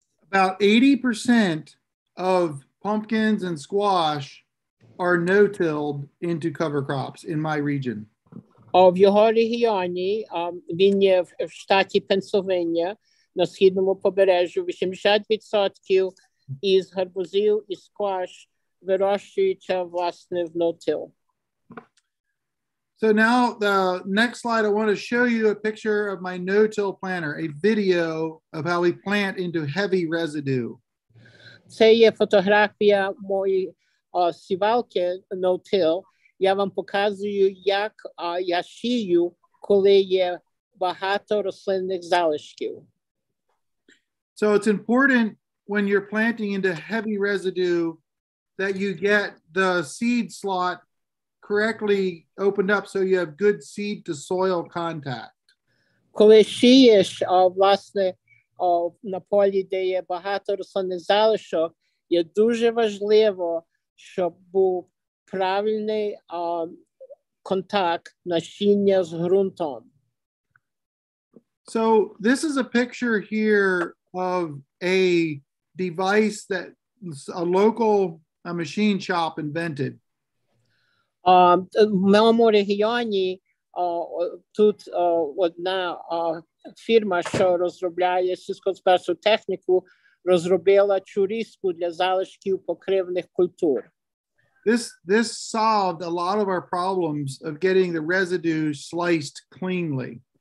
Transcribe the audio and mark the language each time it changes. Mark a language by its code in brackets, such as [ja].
[en] About 80% of pumpkins and squash are no-tilled into cover crops in my region. [uk] В його регіоні, він є в штаті Пенсильвания, на східному побережжі, 80% із гарбузів і скваш вирощується, власне, в no-till. [en] So now, the next slide, I want to show you a picture of my no-till planter, a video of how we plant into heavy residue. [uk] Це є фотографія моєї сівалки no-till. Я вам показую, як я сію, коли є багато рослинних залишків. [en] So it's important when you're planting into heavy residue that you get the seed slot correctly opened up so you have good seed to soil contact. [uk] Коли сієш, власне, на полі, де є багато рослинних залишок, є дуже важливо, щоб був правильний контакт насіння з ґрунтом. [en] So this is a picture here of a device that a local machine shop invented. [uk] В моєму регіоні тут одна фірма, що розробляє сільськогосподарську техніку, розробила чуріску для залишків покривних культур. [en] This solved a lot of our problems of getting the residue sliced cleanly.